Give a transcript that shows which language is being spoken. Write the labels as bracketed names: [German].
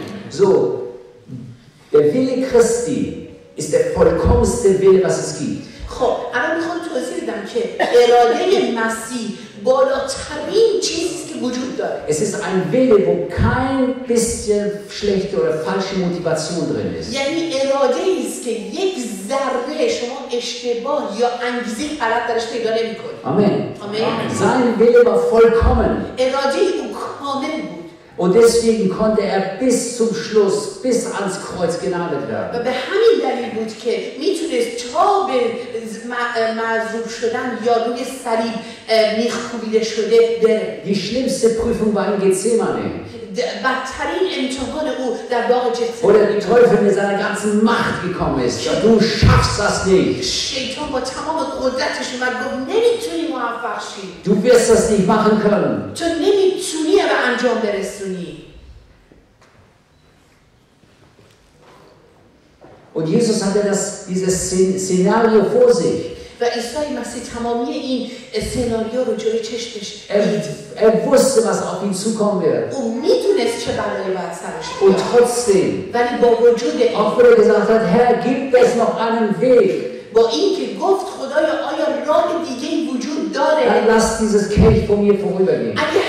[German] So, der Wille Christi ist der vollkommenste Wille, was es gibt. [Persian] خب، الان میخوام توضیح بدم که اراده مسیح بالاترین چیزی که وجود داره. [German] Es ist ein Wille, wo kein bisschen schlechte oder falsche Motivation drin ist. [Persian] یعنی اراده ای است که یک ذره شما اشتباه یا انگیزه غلط درش پیدا نمی‌کنید. آمین. آمین. [German] Sein Wille war vollkommen. [Persian] اراده او کامل بود. [German] Und deswegen konnte er bis zum Schluss, bis ans Kreuz genagelt werden. Aber bei [Persian] همین دلیل بود که میتونست تا به معذوب شدن یا روی صلیب میخکوبیده شده بره. [German] Die schlimmste Prüfung war in Gethsemane. [Persian] بدترین امتحان او در باغ گتسمانه. [German] Wo der Teufel mit seiner ganzen Macht gekommen ist. Du schaffst das nicht. [Persian] شیطان با تمام قدرتش اومد گفت نمیتونی موفق شی. [German] Du wirst das nicht machen können. [Persian] تو نمیتونی به انجام برسونی. [German] Und Jesus hatte das, dieses Szenario vor sich. [Persian] و عیسی مسیح تمامی این سناریو رو جلوی چشمش دید. [German] Er wusste, was auf ihn zukommen wird. Und [Persian] میدونست چه بلایی باید سرش بیاد. [German] Und trotzdem. [Persian] ولی با وجود این. [German] Auch wenn er gesagt hat, Herr, gibt es noch einen Weg. [Persian] با اینکه گفت خدایا آیا راه دیگه‌ای وجود داره؟ [German] Dann lass dieses Kelch von mir vorübergehen.